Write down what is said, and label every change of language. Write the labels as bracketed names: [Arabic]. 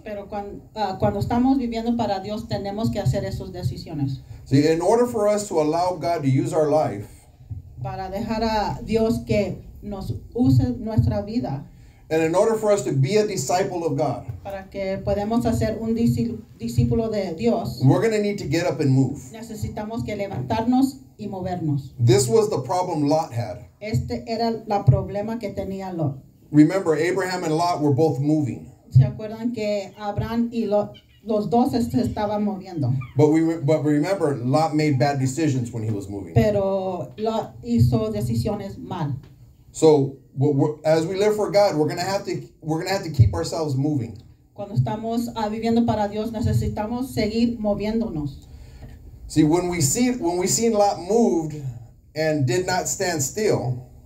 [Spanish] Pero cuando estamos viviendo para Dios, tenemos que hacer esas decisiones. [English] See, in order for us to allow God to use our life, [Spanish] para dejar a Dios que nos use nuestra vida, [English] and in order for us to be a disciple of God, [Spanish] para que podamos hacer un discípulo de Dios, [English] we're going to need to get up and move. [Spanish] Necesitamos que levantarnos y movernos. [English] This was the problem Lot had. [Spanish] Este era el problema que tenía Lot. [English] Remember, Abraham and Lot were both moving. [Spanish] ¿Se acuerdan que Abraham y Lot, los dos se estaban moviendo? [English] But remember, Lot made bad decisions when he was moving. [Spanish] Pero Lot hizo decisiones mal. [English] So, as we live for God, we're gonna have to keep ourselves moving. [Spanish] Cuando estamos viviendo para Dios, necesitamos seguir moviéndonos. [English] See, when we see Lot moved and did not stand still.